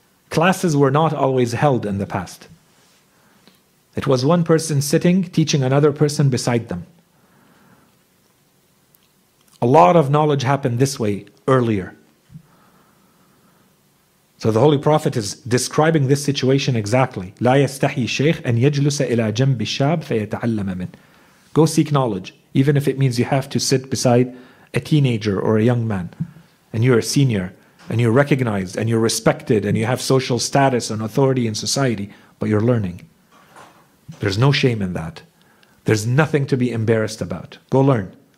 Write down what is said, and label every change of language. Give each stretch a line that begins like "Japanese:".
English: Classes were not always held in the past. It was one person sitting, teaching another person beside them. A lot of knowledge happened this way earlier. So the Holy Prophet is describing this situation exactly.
Arabic: لا يستحي الشيخ أن يجلس إلى جنب الشاب فيتعلم من.
English: Go seek knowledge, even if it means you have to sit beside a teenager or a young man, and you're a senior, and you're recognized, and you're respected, and you have social status and authority in society, but you're learning. There's no shame in that. There's nothing to be embarrassed about. Go learn.